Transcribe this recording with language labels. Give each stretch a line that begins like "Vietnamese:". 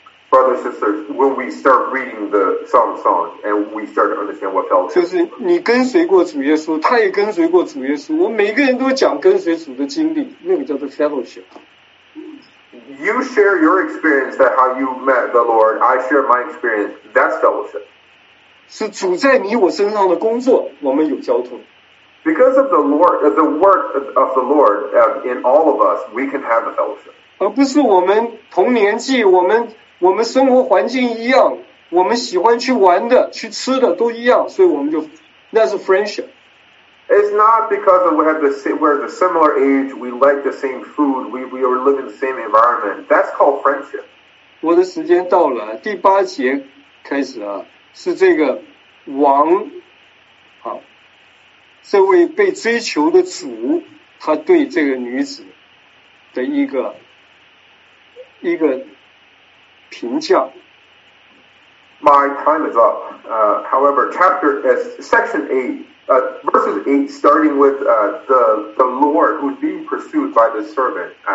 English: Brothers and sisters, when we start reading the Psalm song, and we start to understand what fellowship.
Chinese: 就是你跟随过主耶稣，他也跟随过主耶稣，我们每个人都讲跟随主的经历，那个叫做 fellowship.
English: You share your experience that how you met the Lord. I share my experience. That's fellowship.
Chinese: 是主在你我身上的工作，我们有交通。
English: Because of the Lord, the work of the Lord in all of us, we can have a fellowship.
Chinese: 而不是我们同年纪，我们生活环境一样，我们喜欢去玩的、去吃的都一样，所以我们就那是 friendship.
English: It's not because of we're the similar age, we like the same food, we are living in the same environment. That's called friendship.
Chinese: 我的时间到了，第八节开始啊，是这个王，好，这位被追求的主，他对这个女子的一个评价。
English: My time is up. However, chapter section 8. Verses 8, starting with the Lord who's being pursued by the servant,